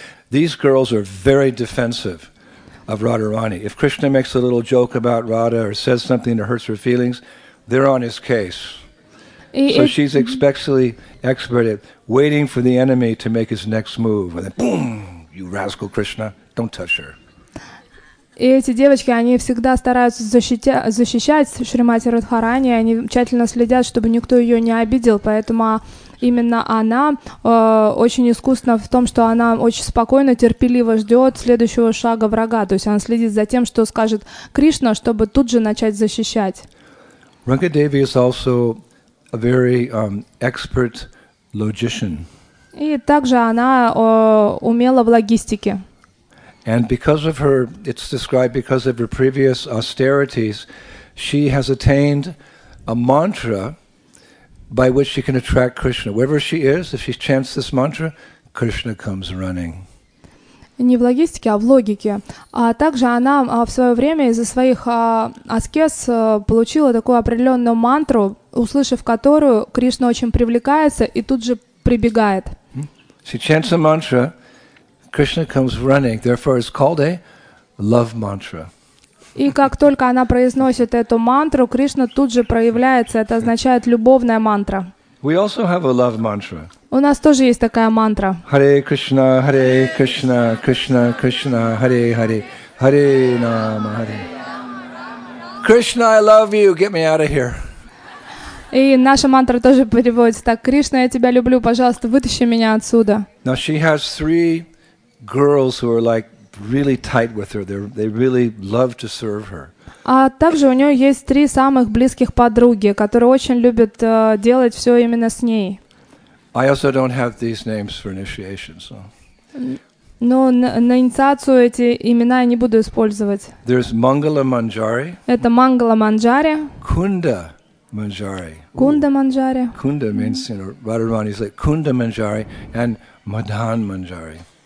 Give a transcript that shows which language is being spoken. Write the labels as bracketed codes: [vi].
[en] These girls are very defensive of Radharani. If Krishna makes a little joke about Radha or says something that hurts her feelings, they're on his case. So she's especially expert at waiting for the enemy to make his next move, and then boom, you rascal Krishna, don't touch her. [ru] И эти девочки, они всегда стараются защищать Шримати Радхарани, они тщательно следят, чтобы никто ее не обидел, поэтому именно она очень искусна в том, что она очень спокойно, терпеливо ждет следующего шага врага, то есть она следит за тем, что скажет Кришна, чтобы тут же начать защищать. [en] Ranga Devi is also a very expert logician. [ru] И также она умела в логистике. [en] And because of her, it's described because of her previous austerities, she has attained a mantra by which she can attract Krishna. Wherever she is, if she chants this mantra, Krishna comes running. [ru] Не в логистике, а в логике. А также она в свое время из-за своих аскез получила такую определенную мантру, услышав которую, Кришна очень привлекается и тут же прибегает. [en] She chants a mantra, Krishna comes running. Therefore, it's called a love mantra. [ru] И как только она произносит эту мантру, Кришна тут же проявляется. Это означает любовная мантра. [en] We also have a love mantra. [ru] У нас тоже есть такая мантра. [sa] Hare Krishna, Hare Krishna, Krishna Krishna, Hare Hare, Hare Nama, Hare. [en] Krishna, I love you, get me out of here. [ru] И наша мантра тоже переводится так. Кришна, я тебя люблю, пожалуйста, вытащи меня отсюда. [en] Now she has three girls who are like really tight with her. They really love to serve her. [ru] А также у нее есть три самых близких подруги, которые очень любят делать все именно с ней. [en] I also don't have these names for initiation, so. [ru] Но на инициацию эти имена я не буду использовать. [en] There's Mangala Manjari. [ru] Это Mangala Manjari. [en] Kunda Manjari. [ru] Kunda Manjari. [en] Kunda means, you know, Radharani is like Kunda Manjari and Madan Manjari.